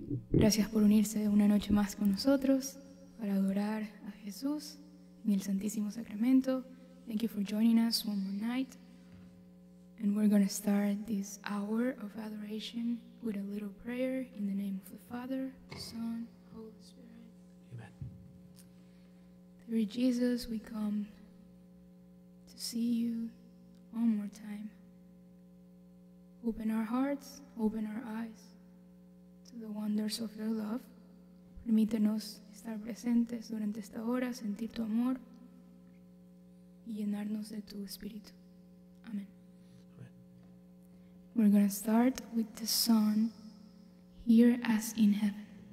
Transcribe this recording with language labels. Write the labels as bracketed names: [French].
[Spanish] Gracias por unirse una noche más con nosotros para adorar a Jesús en el Santísimo Sacramento. [English] Thank you for joining us one more night. And we're going to start this hour of adoration with a little prayer in the name of the Father, Son, Holy Spirit. Amen. Through Jesus, we come to see you one more time. Open our hearts, open our eyes to the wonders of your love. [Spanish] Permítenos estar presentes durante esta hora, sentir tu amor y llenarnos de tu espíritu. [English] Amen. We're going to start with the sun here as in heaven.